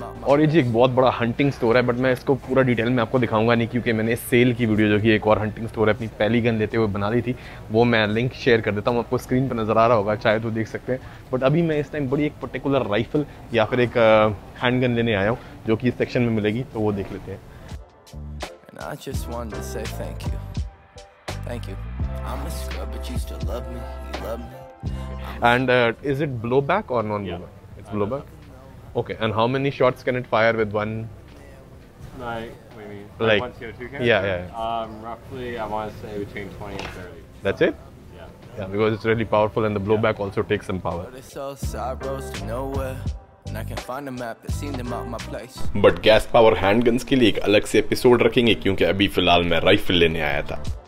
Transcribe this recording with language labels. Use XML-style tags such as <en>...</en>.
<hi>और ये जी एक बहुत बड़ा हंटिंग स्टोर है, बट मैं इसको पूरा डिटेल में आपको दिखाऊंगा नहीं, क्योंकि मैंने सेल की वीडियो जो कि एक और हंटिंग स्टोर है अपनी पहली गन लेते हुए बना ली थी, वो मैं लिंक शेयर कर देता हूँ, आपको स्क्रीन पर नजर आ रहा होगा, चाहे तो देख सकते हैं। बट अभी मैं इस टाइम बड़ी एक पर्टिकुलर राइफल या फिर एक हैंड गन लेने आया हूँ जो कि इस सेक्शन में मिलेगी, तो वो देख लेते हैं।</hi> <en>And I just wanted to say thank you. Thank you. I'm a scrub, but you still love me. You love me. And is it blowback or non-blowback? Yeah, it's blowback. Okay, and how many shots can it fire with one? Like one CO2 can? Yeah. Roughly, I want to say between 20 and 30. That's so, it? Yeah, because it's really powerful and the blowback also takes some power. But it's all side roads to nowhere.</en> <hi>But gas power हैंडगन्स के लिए एक अलग से episode रखेंगे, क्योंकि अभी फिलहाल मैं राइफल लेने आया था।</hi>